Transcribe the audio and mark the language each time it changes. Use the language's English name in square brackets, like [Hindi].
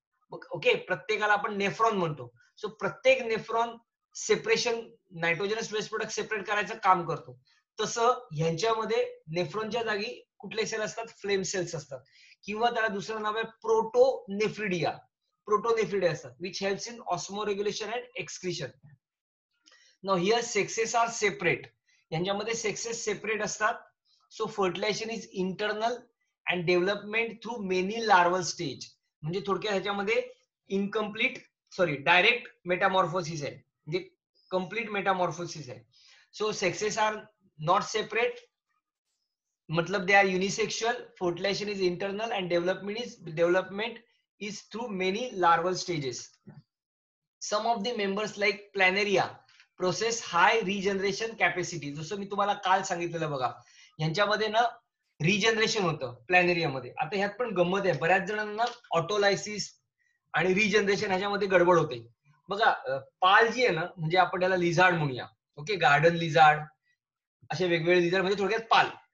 [Marathi] Okay प्रत्येकाला आपण nephron म्हणतो. सो प्रत्येक nephron separation nitrogenous waste product separate करायचं काम करतो. तसं ह्यांच्यामध्ये नेफ्रॉनच्या जागी कुठले सेल असतात फ्लेम सेल्स असतात किंवा त्याला दुसरं नाव आहे प्रोटोनेफ्रिडिया. [English] Protonephridia असतात which helps in osmoregulation and excretion. Now here sexes are separate. [Marathi] ह्यांच्यामध्ये सेक्सेस सेपरेट असतात. [English] So fertilisation is internal and development through many larval stage. [Marathi] म्हणजे थोडक्यात ह्याच्यामध्ये इनकम्प्लीट सॉरी डायरेक्ट मेटामॉर्फोसिस आहे म्हणजे कम्प्लीट मेटामॉर्फोसिस आहे. [English] So sexes are not separate, मतलब they are unisexual, fertilisation is internal and development is through many larval stages. Some of the members like planaria process high regeneration capacity. [Marathi] जस मैं तुम्हारा काल सांगितलं बघा, यांच्यामध्ये ना रीजनरेशन होतं प्लैनेरिया मध्ये. आता ह्यात पण गम्मत आहे, बऱ्याच जणांना ऑटोलायसिस आणि रीजनरेशन ह्याच्यामध्ये गडबड होते. बघा पाल जी आहे ना, म्हणजे आपण त्याला लिझार्ड म्हणूया, ओके, गार्डन लिझार्ड, असे वेगवेगळे लिझार्ड, म्हणजे थोडक्यात पाल.